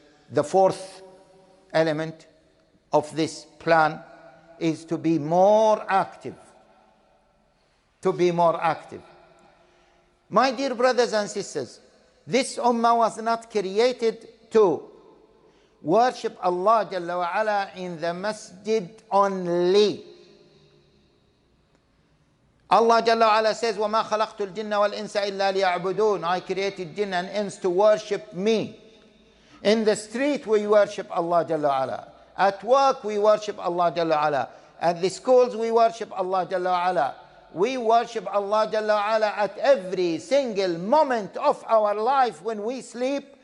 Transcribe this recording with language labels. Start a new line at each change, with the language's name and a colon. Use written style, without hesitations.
English: The fourth element of this plan is to be more active. To be more active. My dear brothers and sisters, this ummah was not created to worship Allah Jalla wa Ala in the masjid only. Allah Jalla wa Ala says,
Arabic: وَمَا خَلَقْتُ الْجِنَّ وَالْإِنسَ إِلَّا لِيَعْبُدُونَ.
English: I created jinn and ins to worship me. In the street we worship Allah Jalla wa Ala. At work we worship Allah Jalla wa Ala. At the schools we worship Allah Jalla wa Ala. We worship Allah Jalla wa Ala at every single moment of our life when we sleep.